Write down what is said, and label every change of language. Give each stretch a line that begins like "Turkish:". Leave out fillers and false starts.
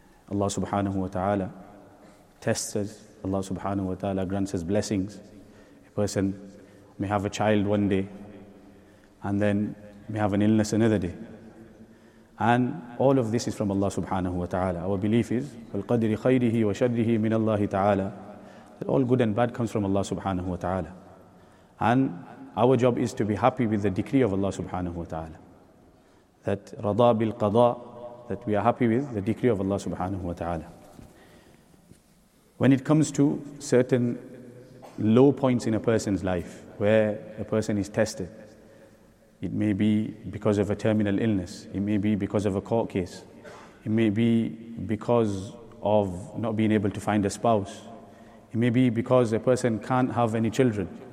English: Allah subhanahu wa ta'ala tests us. Allah subhanahu wa ta'ala grants us blessings. A person may have a child one day and then may have an illness another day. And all of this is from Allah subhanahu wa ta'ala. Our belief is,
Arabic: فَالْقَدْرِ خَيْرِهِ وَشَرِّهِ مِنَ اللَّهِ تَعَالَى.
English: That all good and bad comes from Allah subhanahu wa ta'ala. And our job is to be happy with the decree of Allah subhanahu wa ta'ala. That
Arabic: رَضَى بِالْقَضَى,
English: that we are happy with the decree of Allah subhanahu wa ta'ala. When it comes to certain low points in a person's life, where a person is tested, it may be because of a terminal illness, it may be because of a court case, it may be because of not being able to find a spouse, it may be because a person can't have any children